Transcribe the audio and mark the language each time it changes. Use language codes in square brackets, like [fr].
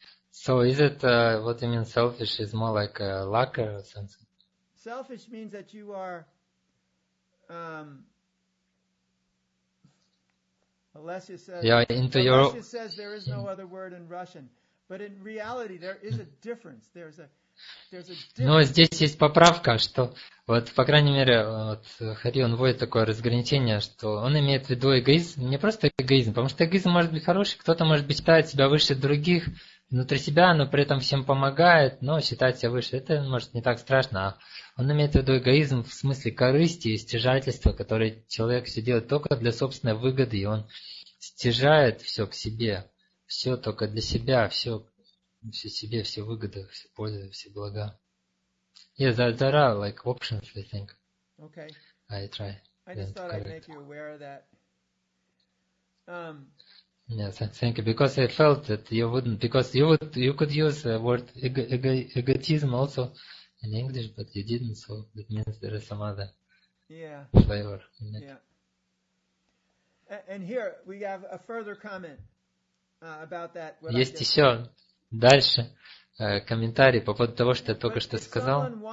[en] So is it what you mean selfish is more like a lack or a sense? Selfish means that you are Alessia says, Alessia says there is no other word in Russian. But in reality, there is a difference. [ru] Но здесь есть поправка, что вот, по крайней мере, вот Хари, он вводит такое разграничение, что он имеет в виду эгоизм, не просто эгоизм, потому что эгоизм может быть хороший, кто-то может быть считает себя выше других внутри себя, но при этом всем помогает, но считает себя выше. Это может не так страшно, а он имеет в виду эгоизм в смысле корысти и стяжательства, которое человек все делает только для собственной выгоды, и он стяжает все к себе. Все только для себя, все себе, все выгоды, все пользы, все блага. [en] Yeah, there are like options, I think. Okay. I try. I just thought I'd make you aware of that. Yes, thank you. Because I felt that you wouldn't, because you could use the word egotism also in English, but you didn't, so that means there is some other flavor in it. Yeah. And here we have a further comment. About that, [ru] есть еще дальше комментарий по поводу того, что я только что сказал.